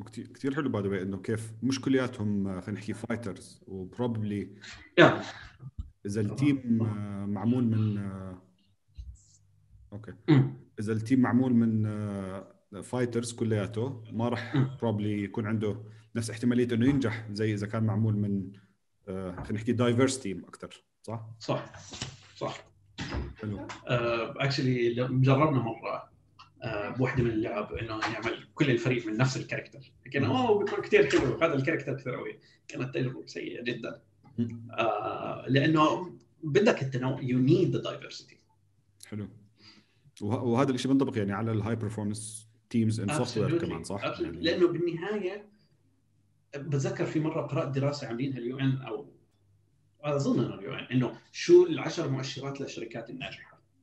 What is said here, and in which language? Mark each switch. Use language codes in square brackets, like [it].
[ar] كتير حلو باي ذا واي إنه كيف مش كلياتهم خلينا نحكي فايترز وبروبلي إذا التيم معمول من أوكي، إذا التيم معمول من فايترز كلياته ما رح [en] probably [ar] يكون عنده نفس احتمالية إنه ينجح زي إذا كان معمول من خلينا نحكي دايفرس تيم أكتر. صح. حلو. [en] Actually [ar] جربنا مرة بوحدة من اللعب إنه يعمل كل الفريق من نفس الكاركتر، لكن بيكون كتير حلو هذا الكاركتر كتير قوي، كانت تجربة سيئة جدا. لأنه بدك التنوع، [en] you need the diversity. [ar] حلو، وهذا الشيء بنطبق يعني على الهاي برفورمانس تيمز ان سوفتوير كمان صح؟ [en] Absolutely. [ar] لأنه بالنهاية بتذكر في مرة قرأت دراسة عاملينها اليو ان، أو أظن أنه اليو ان، إنه شو العشر مؤشرات للشركات الناجحة.